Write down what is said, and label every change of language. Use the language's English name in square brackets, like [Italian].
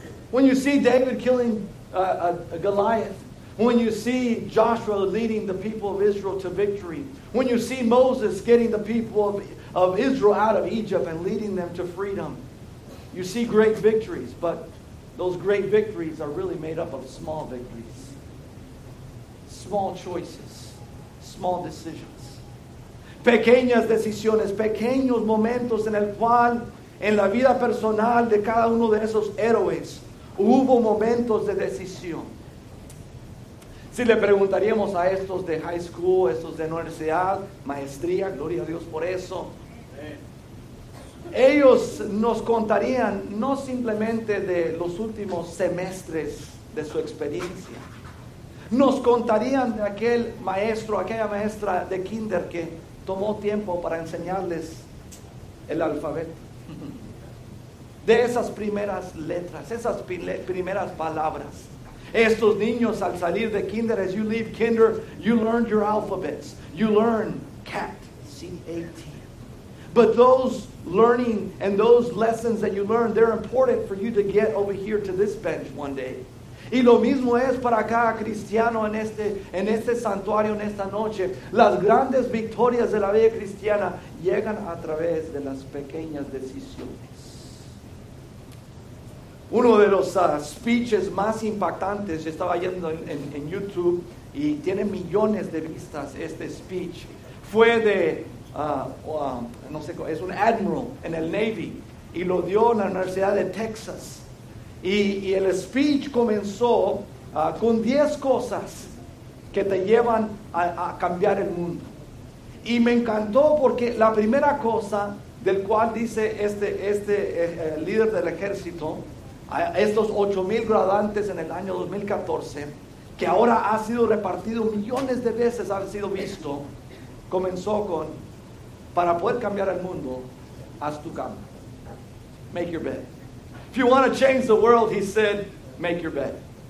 [English] When you see David killing a Goliath, when you see Joshua leading the people of Israel to victory, when you see Moses getting the people of Israel out of Egypt and leading them to freedom, you see great victories, but those great victories are really made up of small victories, small choices, small decisions. [Spanish] Pequeñas decisiones, pequeños momentos en el cual, en la vida personal de cada uno de esos héroes, hubo momentos de decisión. Si le preguntaríamos a estos de high school, estos de universidad, maestría, gloria a Dios por eso. Ellos nos contarían no simplemente de los últimos semestres de su experiencia. Nos contarían de aquel maestro, aquella maestra de kinder que tomó tiempo para enseñarles el alfabeto. De esas primeras letras, esas primeras palabras. Estos niños al salir de kinder, [English] as you leave kinder, you learn your alphabets. You learn cat, C-A-T. But those learning and those lessons that you learn, they're important for you to get over here to this bench one day. [Spanish] Y lo mismo es para cada cristiano en este santuario, en esta noche. Las grandes victorias de la vida cristiana llegan a través de las pequeñas decisiones. Uno de los speeches más impactantes, yo estaba viendo en YouTube y tiene millones de vistas este speech, fue de, no sé, es un admiral en el Navy y lo dio en la Universidad de Texas. Y el speech comenzó con 10 cosas que te llevan a cambiar el mundo. Y me encantó porque la primera cosa del cual dice este líder del ejército, estos 8,000 graduantes en el año 2014, que ahora ha sido repartido millones de veces, ha sido visto, comenzó con, para poder cambiar el mundo, haz tu cama. [English] Make your bed. If you want to change the world, he said, make your bed.